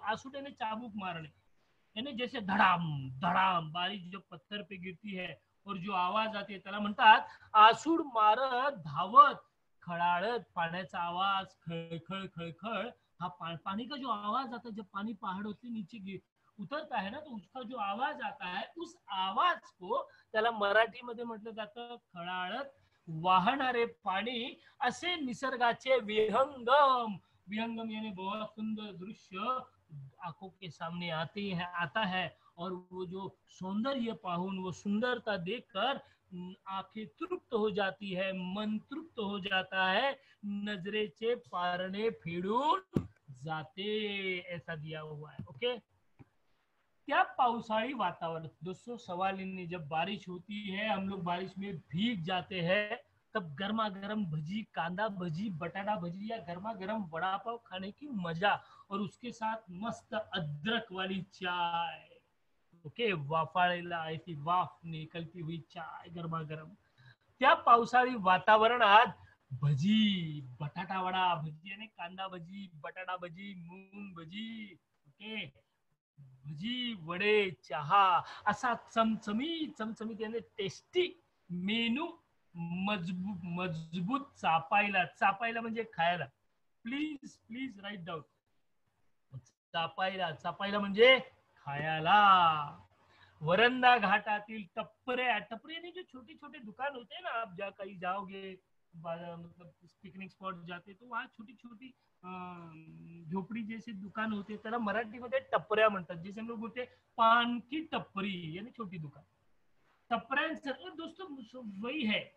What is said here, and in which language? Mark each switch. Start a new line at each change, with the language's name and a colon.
Hindi: आसूड़ यानी चाबुक मारने, यानी जैसे धड़ाम धड़ाम बारिश जो पत्थर पे गिरती है और जो आवाज आते है
Marathi: त्याला म्हणतात आसूड मारत धावत खळाळत. पाण्याचा आवाज खळखळ खळखळ,
Hindi: हा पाणी का जो आवाज आता, जब पाणी पहाड़ होते नीचे उतरता है ना, तो उसका जो आवाज आता है उस आवाज को
Marathi: त्याला मराठी मध्ये म्हटलं जातं खळाळत वाहणारे पाणी, असे निसर्गाचे विहंगम
Hindi: विहंगम यानी बहुत सुंदर दृश्य आंखों के सामने आती है आता है, और वो जो सौंदर्य पाहुन वो सुंदरता देखकर आंखें तृप्त हो जाती है, मन तृप्त हो जाता है,
Marathi: नजरेचे पारणे फेडून जाते,
Hindi: ऐसा दिया हुआ है। ओके, क्या पावसाळी वातावरण दोस्तों, सवाल ही नहीं। जब बारिश होती है हम लोग बारिश में भीग जाते हैं, तब गर्मा गर्म भजी, कांदा भजी, बटाटा भजी या गर्मा गर्म वड़ा पाव खाने की मजा, और उसके साथ मस्त अदरक वाली चाय। ओके, वाफाळीला ऐसी वाफ निकलती हुई चाय गर्मा गर्म, क्या पावसाळी वातावरण आज भजी बटाटा वड़ा भजी यानी कांदा भजी, बटाटा भजी, मूंग भजी, ओके,
Marathi: भजी वड़े चहा, असा चमचमी चमचमी त्याने टेस्टी मेनू मजबूत चापायला, चापायला म्हणजे खायला,
English: please please write down,
Marathi: चापायला चापायला म्हणजे खायला।
Hindi: वरंदा घाटातील टपरे, टपरे ने जो छोटे छोटे दुकान होते हैं ना, आप जा कहीं जाओगे मतलब पिकनिक स्पॉट जाते तो वहां छोटी छोटी झोपड़ी जैसे दुकान होते हैं,
Marathi: त्याला मराठी मध्ये टपऱ्या म्हणतात,
Hindi: जैसे हम लोग बोलते पान की टपरी यानी छोटी दुकान, टपऱ्यांसारखं दोस्तों वही है।